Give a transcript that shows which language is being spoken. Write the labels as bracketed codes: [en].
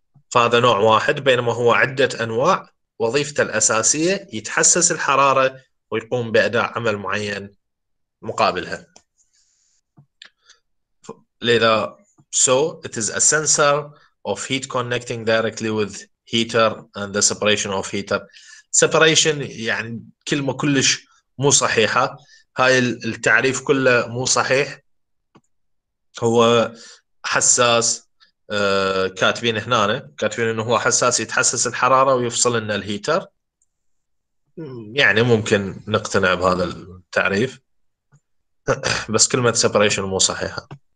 [ar] فهذا نوع واحد، بينما هو عدة أنواع وظيفته الأساسية يتحسس الحرارة ويقوم بأداء عمل معين مقابلها. لذا [en] so it is a sensor of heat connecting directly with heater and the separation of heater. [ar] separation يعني كلمة كلش مو صحيحة، هاي التعريف كله مو صحيح. هو حساس كاتبين هنا، كاتبين انه هو حساس يتحسس الحرارة ويفصل لنا الهيتر، يعني ممكن نقتنع بهذا التعريف بس كلمة separation مو صحيحة.